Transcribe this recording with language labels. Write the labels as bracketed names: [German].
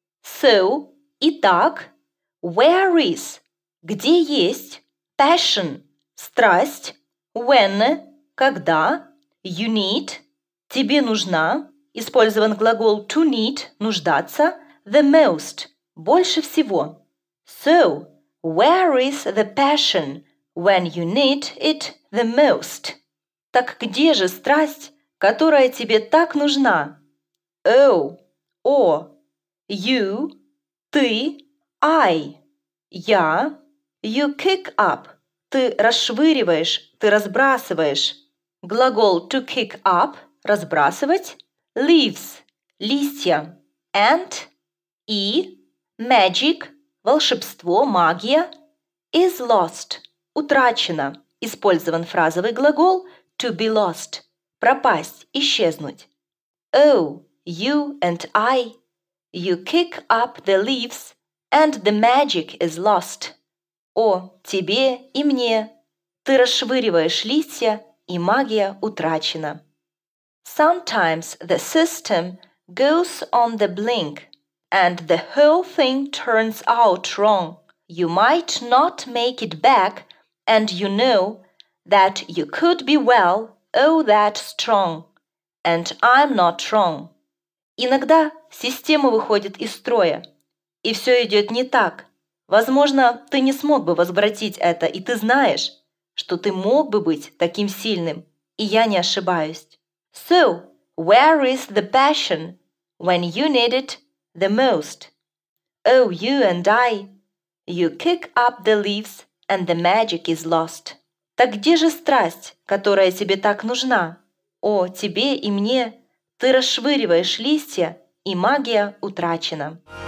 [English] So, [Russian] итак, [English] where is, [Russian] где есть, [English] passion, [Russian] страсть, [English] when, [Russian] когда, [English] you need, [Russian] тебе нужна, использован глагол [English] to need, [Russian] нуждаться, [English] the most, [Russian] больше всего. [English] So, where is the passion when you need it the most? [Russian] Так где же страсть, которая тебе так нужна? [English] Oh, or, you, [Russian] ты, [English] I, [Russian] я, [English] you kick up, [Russian] ты расшвыриваешь, ты разбрасываешь. Глагол [English] to kick up, [Russian] разбрасывать, [English] leaves, [Russian] листья, [English] and, [Russian] и, [English] magic, [Russian] волшебство, магия, [English] is lost, [Russian] утрачено. Использован фразовый глагол [English] to be lost. [Russian] Пропасть, исчезнуть. [English] Oh, you and I, you kick up the leaves, and the magic is lost. [Russian] О, тебе и мне, ты расшвыриваешь листья, и магия утрачена. [English] Sometimes the system goes on the blink, and the whole thing turns out wrong. You might not make it back, and you know that you could be well, oh, that strong, and I'm not wrong. [Russian] Иногда система выходит из строя, и все идет не так. Возможно, ты не смог бы возвратить это, и ты знаешь, что ты мог бы быть таким сильным, и я не ошибаюсь. [English] So, where is the passion when you need it the most? Oh, you and I, you kick up the leaves and the magic is lost. [Russian] Так где же страсть, которая тебе так нужна? О, тебе и мне, ты расшвыриваешь листья, и магия утрачена.